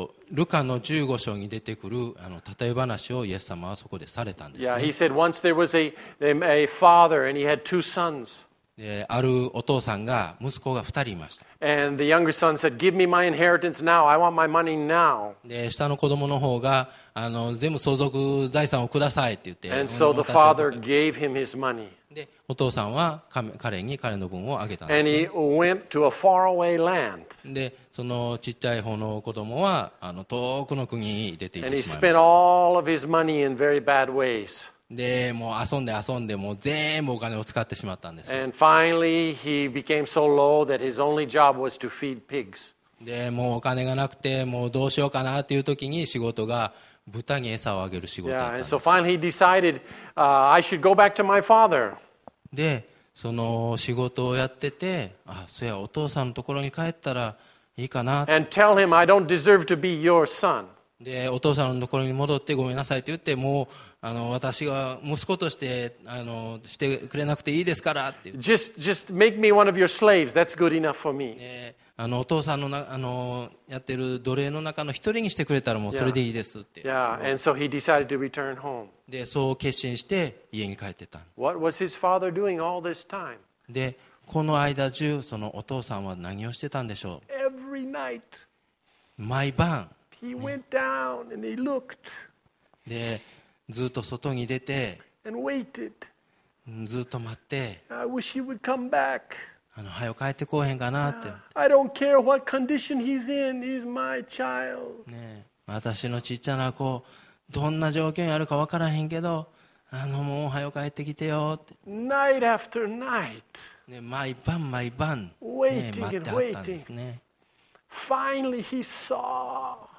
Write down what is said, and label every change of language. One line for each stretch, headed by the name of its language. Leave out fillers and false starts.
Japanese: ルカの15章に出てくる例え話をイエス様はそこでされたんですね。
English: Yeah, he said once there was a father and he had two sons.
Japanese: あるお父さんが息子が2人いました。
English: And the younger son said, give me my inheritance now. I want my money now.
Japanese: で、下の子供の方が全部相続財産をくださいって言って、
English: And so the father gave him his money.
Japanese: で、お父さんは彼に彼の分をあげたんです、ね。
English: And he went to a faraway land.
Japanese: で、そのちっちゃい方の子供は遠くの国に出て行ってしまいました。
English: And he spent all of his money in very bad ways.
Japanese: で、もう遊んでもう全部お金を使ってしまったんです。
English: And finally he became so low that his only job was to feed pigs.
Japanese: で、もうお金がなくてもうどうしようかなっていう時に仕事が豚に餌をあげる仕事だったんです。
English: Yeah, and so finally he decided, I should go back to my father.
Japanese: で、その仕事をやってて、そやお父さんのところに帰ったらいいかな。
English: And tell him I don't deserve to be your son.
Japanese: で、お父さんのところに戻ってごめんなさいって言って、もう私が息子としてしてくれなくていいですからって。
English: Just make me one of your slaves. That's good enough for me.
Japanese: お父さんのやってる奴隷の中の一人にしてくれたらもうそれでいいですって。
English: Yeah, and so he decided to return home.
Japanese: で、そう決心して家に帰ってた。
English: What was his father doing all this time?
Japanese: で、この間中そのお父さんは何をしてたんでしょう。
English: Every night.
Japanese: 毎晩。
English: He went down and he looked.
Japanese: で、ずっと外に出て。
English: And waited.
Japanese: ずっと待って。
English: I wish he would come back.
Japanese: はよ帰ってこうへんかなって。
English: I don't care what condition he's in. He's my child.
Japanese: ねえ、私のちっちゃな子、どんな状況にあるかわからへんけど、もうはよ帰ってきてよって。
English: Night after night.
Japanese: ね、毎晩毎晩、
English: waiting and waiting.
Japanese: 待ってあったんですね。
English: Finally he saw.